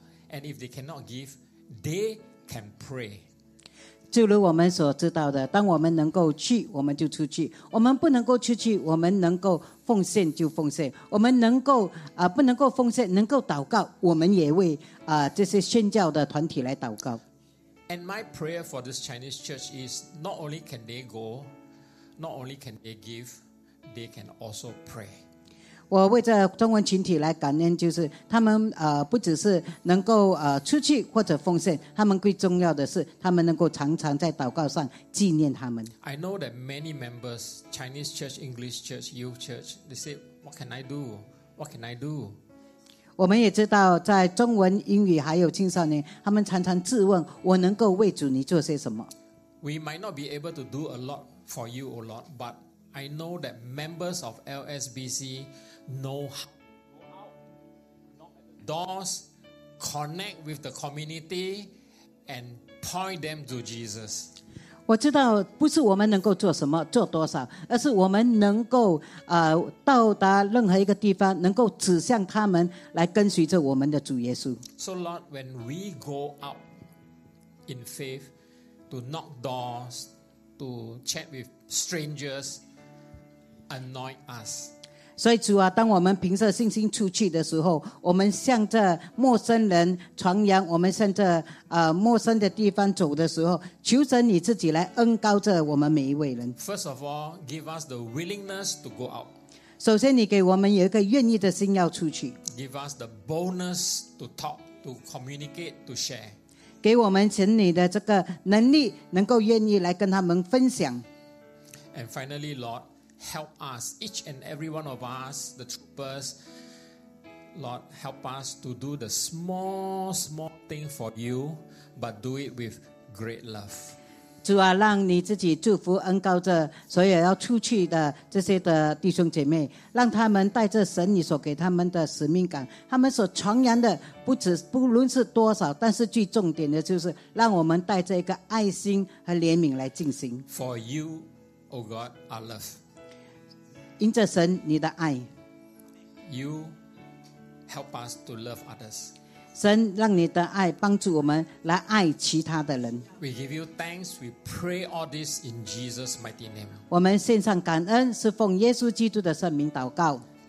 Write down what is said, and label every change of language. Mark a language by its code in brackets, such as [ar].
[en] And if they cannot give, they can pray. [zh] 就如我们所知道的，当我们能够去，我们就出去；我们不能够出去，我们能够奉献就奉献；我们能够不能够奉献，能够祷告，我们也为这些宣教的团体来祷告。 [en] And my prayer for this Chinese church is not only can they go. Not only can they give, they can also pray. [zh] 我为这中文群体来感恩，就是他们不只是能够出去或者奉献，他们最重要的是他们能够常常在祷告上纪念他们。 [en] I know that many members, Chinese church, English church, youth church, they say, "What can I do? What can I do?" [zh] 我们也知道，在中文、英语还有青少年，他们常常质问：我能够为主你做些什么 [en] ？We might not be able to do a lot. For you, O Lord, but I know that members of LSBC know how to doors, connect with the community, and point them to Jesus. [zh] 我知道不是我们能够做什么做多少，而是我们能够到达任何一个地方，能够指向他们来跟随着我们的主耶稣。 [en] So Lord, when we go out in faith to knock doors. To chat with strangers, anoint us. [zh] 所以主啊，当我们凭着信心出去的时候，我们向着陌生人传扬，我们向着陌生的地方走的时候，求神你自己来恩膏着我们每一位人。 [en] First of all, give us the willingness to go out. [zh] 首先，你给我们有一个愿意的心要出去。 [en] Give us the boldness to talk, to communicate, to share. [zh] 给我们请你的这个能力能够愿意来跟他们分享。 [en] And finally, Lord, help us, each and every one of us, the troopers, Lord, help us to do the small thing for you, but do it with great love. [zh] 主啊，让你自己祝福恩膏着所有要出去的这些的弟兄姐妹，让他们带着神你所给他们的使命感，他们所传扬的不论是多少，但是最重点的就是让我们带着一个爱心和怜悯来进行。 [en] For you, O God, are love. [zh] 因着神你的爱。 [en] You help us to love others. [zh] 神让你的爱帮助我们来爱其他的人。 [en] We give you thanks, we pray all this in Jesus' mighty name. [zh] 我们献上感恩，是奉耶稣基督的圣名祷告。